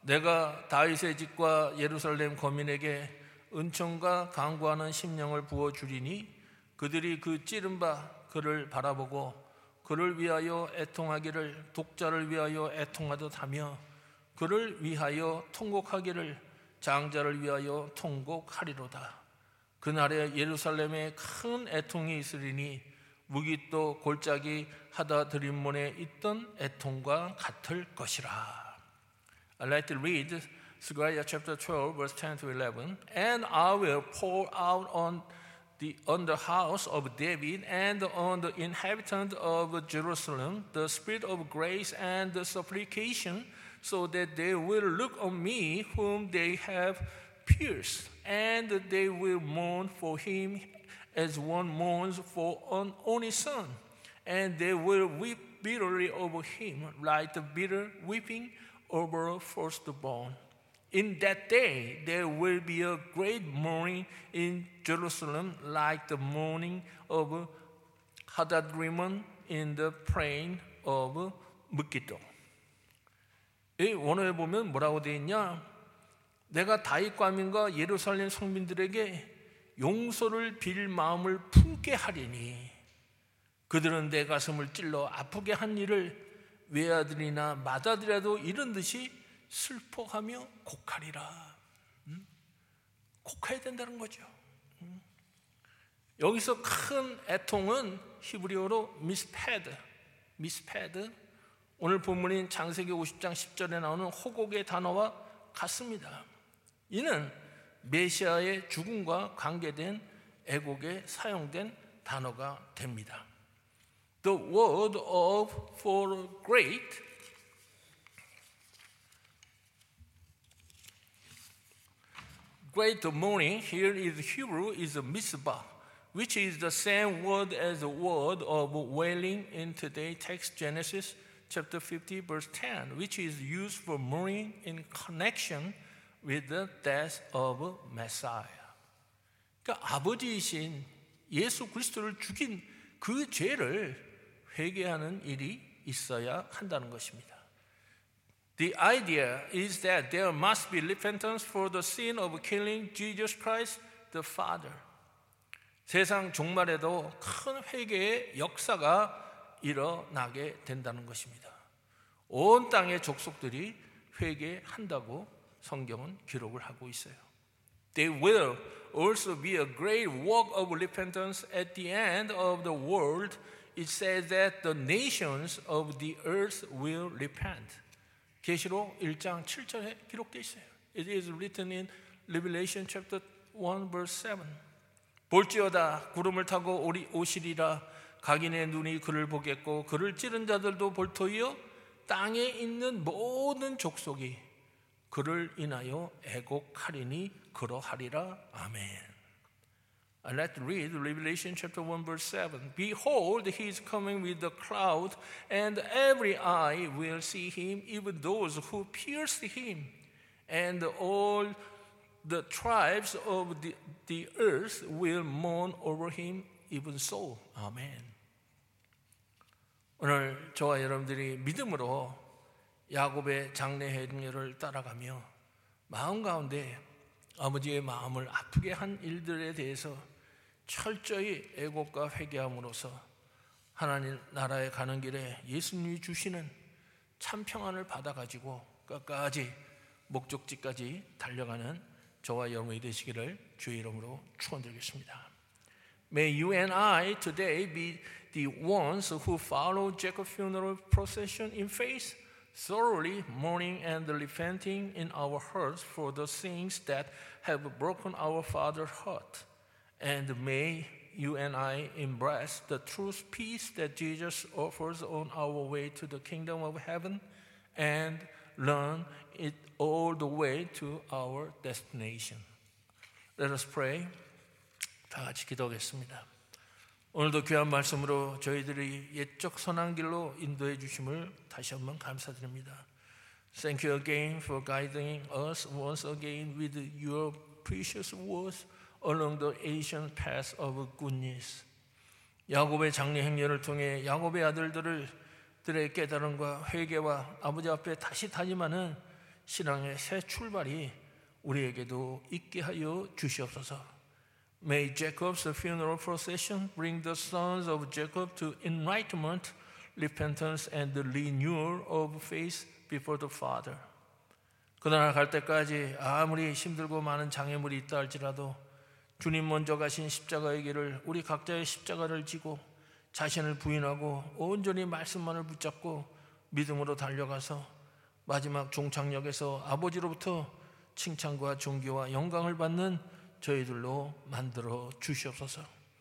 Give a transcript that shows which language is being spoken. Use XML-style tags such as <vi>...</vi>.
<ko>내가 다윗의 집과 예루살렘 거민에게 은총과 간구하는 심령을 부어주리니 그들이 그 찌른 바 그를 바라보고 그를 위하여 애통하기를 독자를 위하여 애통하듯 하며 그를 위하여 통곡하기를 장자를 위하여 통곡하리로다. 그날에 예루살렘에 큰 애통이 있으리니 무깃도 골짜기 하다드림문에 있던 애통과 같을 것이라.</ko> <en>I'd like to read Zechariah chapter 12, verse 10 to 11. And I will pour out on the house of David and on the inhabitants of Jerusalem the spirit of grace and the supplication so that they will look on me whom they have pierced. And they will mourn for him as one mourns for an only son. And they will weep bitterly over him like the bitter weeping over a firstborn. In that day there will be a great mourning in Jerusalem like the mourning of Hadad-Rimmon in the plain of Megiddo.</en> <ko>이 원어에 보면 뭐라고 돼 있냐? 내가 다윗 과민과 예루살렘 성민들에게 용서를 빌 마음을 품게 하리니 그들은 내 가슴을 찔러 아프게 한 일을 외아들이나 맏아들이라도 이런 듯이 슬퍼하며 곡하리라. 곡해야 된다는 거죠. 여기서 큰 애통은 히브리어로 미스패드 오늘 본문인 창세기 50장 10절에 나오는 호곡의 단어와 같습니다. 이는 메시아의 죽음과 관계된 애곡에 사용된 단어가 됩니다.</ko> <en>The word of for great great mourning here in Hebrew is a mitzvah, which is the same word as the word of wailing in today's text, Genesis chapter 50, verse 10, which is used for mourning in connection with the death of Messiah.</en> <ko>그러니까 아버지이신 예수 그리스도를 죽인 그 죄를 회개하는 일이 있어야 한다는 것입니다.</ko> <en>The idea is that there must be repentance for the sin of killing Jesus Christ the Father.</en> <ko>세상 종말에도 큰 회개의 역사가 일어나게 된다는 것입니다. 온 땅의 족속들이 회개한다고 성경은 기록을 하고 있어요.</ko> <en>There will also be a great work of repentance at the end of the world. It says that the nations of the earth will repent.</en> <ko>계시록 1장 7절에 기록되어 있어요.</ko> <en>It is written in Revelation chapter 1 verse 7.</en> <ko>볼지어다 구름을 타고 오시리라 각인의 눈이 그를 보겠고 그를 찌른 자들도 볼터이요 땅에 있는 모든 족속이 그를 인하여 애곡하리니 그러하리라.</ko> <en>아멘. Let's read Revelation chapter 1 verse 7. Behold, he is coming with the cloud, and every eye will see him, even those who pierced him. And all the tribes of the earth will mourn over him, even so. Amen.</en> <ko>오늘 저와 여러분들이 믿음으로 야곱의 장래 행렬을 따라가며 마음 가운데 아버지의 마음을 아프게 한 일들에 대해서 철저히 애곡과 회개함으로써 하나님 나라에 가는 길에 예수님이 주시는 참 평안을 받아가지고 끝까지 목적지까지 달려가는 저와 여러분이 되시기를 주의 이름으로 축원드리겠습니다.</ko> <en>May you and I today be the ones who follow Jacob's funeral procession in faith, thoroughly mourning and repenting in our hearts for the things that have broken our father's heart. And may you and I embrace the true peace that Jesus offers on our way to the kingdom of heaven and learn it all the way to our destination. Let us pray.</en> <ko>다 같이 기도하겠습니다. 오늘도 귀한 말씀으로 저희들이 옛적 선한 길로 인도해 주심을 다시 한번 감사드립니다.</ko> <en>Thank you again for guiding us once again with your precious words along the ancient path of goodness.</en> <ko>야곱의 장례 행렬을 통해 야곱의 아들들의 깨달음과 회개와 아버지 앞에 다시 다짐하는 신앙의 새 출발이 우리에게도 있게 하여 주시옵소서.</ko> <en>May Jacob's funeral procession bring the sons of Jacob to enlightenment, repentance, and the renewal of faith before the Father.</en> <ko>그 나라 갈 때까지 아무리 힘들고 많은 장애물이 있다 할지라도 주님 먼저 가신 십자가의 길을 우리 각자의 십자가를 지고 자신을 부인하고 온전히 말씀만을 붙잡고 믿음으로 달려가서 마지막 종착역에서 아버지로부터 칭찬과 존귀와 영광을 받는 저희들로 만들어 주시옵소서.</ko>